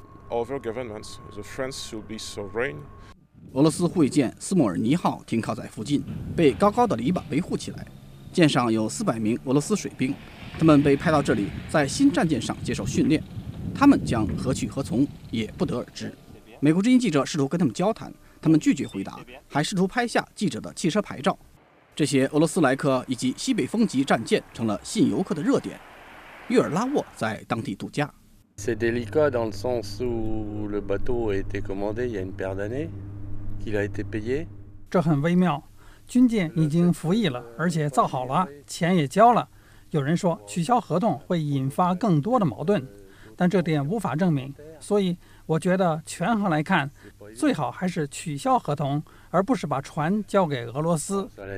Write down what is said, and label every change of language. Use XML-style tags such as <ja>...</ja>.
<zh>俄罗斯护卫舰斯莫尔尼号停靠在附近，被高高的篱笆维护起来，舰上有400名俄罗斯水兵，他们被派到这里在新战舰上接受训练，他们将何去何从也不得而知。美国之音记者试图跟他们交谈，他们拒绝回答，还试图拍下记者的汽车牌照。这些俄罗斯莱克以及西北风级战舰成了吸引游客的热点。约尔拉沃在当地度假。</zh> <fr>C'est délicat dans le sens où le bateau a été commandé il y a une paire d'années, qu'il a été payé.</fr> <zh>这很微妙，军舰已经服役了，而且造好了，钱也交了。有人说取消合同会引发更多的矛盾，但这点无法证明。所以我觉得权衡来看，最好还是取消合同，而不是把船交给俄罗斯。</zh>